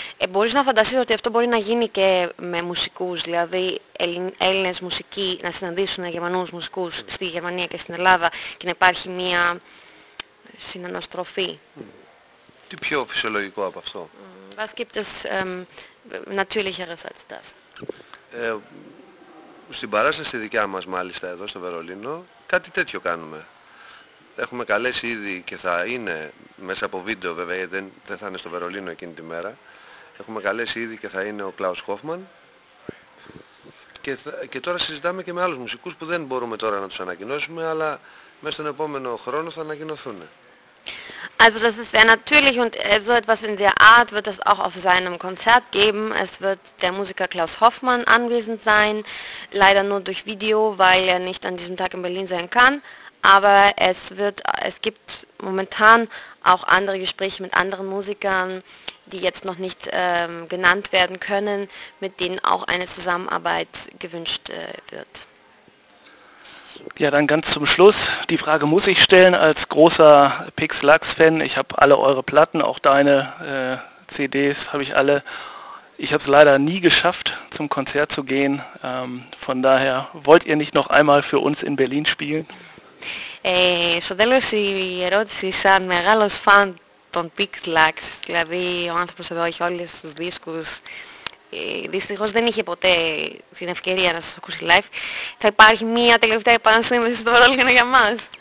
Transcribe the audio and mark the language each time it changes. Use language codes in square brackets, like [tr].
[el] Μπορείς να φανταστείς ότι αυτό μπορεί να γίνει και με μουσικούς, δηλαδή Έλληνες μουσικοί να συναντήσουν Γερμανούς μουσικούς στη Γερμανία και στην Ελλάδα και να υπάρχει μια συναναστροφή. Τι πιο φυσιολογικό από αυτό? [de] Was gibt es natürlicheres als das? [el] Στην παράσταση δικιά μας, μάλιστα, εδώ στο Βερολίνο, κάτι τέτοιο κάνουμε. Έχουμε καλέσει ήδη και θα είναι μέσα από βίντεο, βέβαια, δεν θα είναι στο Βερολίνο εκείνη τη μέρα. Έχουμε καλέσει ήδη και θα είναι ο Κλάους Χόφμαν. Και τώρα συζητάμε και με άλλους μουσικούς που δεν μπορούμε τώρα να τους ανακοινώσουμε, αλλά μέσα στον επόμενο χρόνο θα ανακοινωθούν. [de] Also das ist sehr natürlich und so etwas in der Art wird es auch auf seinem Konzert geben. Es wird der Musiker Klaus Hoffmann anwesend sein, leider nur durch Video, weil er nicht an diesem Tag in Berlin sein kann. Aber es gibt momentan auch andere Gespräche mit anderen Musikern, die jetzt noch nicht genannt werden können, mit denen auch eine Zusammenarbeit gewünscht wird. Ja, dann ganz zum Schluss, die Frage muss ich stellen als großer Pixlux-Fan. Ich habe alle eure Platten, auch deine CDs habe ich alle. Ich habe es leider nie geschafft, zum Konzert zu gehen. Von daher, wollt ihr nicht noch einmal für uns in Berlin spielen? [el] Στο τέλος η ερώτηση, σαν μεγάλος φαν των Pixlux, δηλαδή ο άνθρωπος εδώ έχει όλους τους δίσκους, δυστυχώς δεν είχε ποτέ την ευκαιρία να σας ακούσει live. Θα υπάρχει μία τελευταία επανασύνδεση στο Βερολίνο για μας?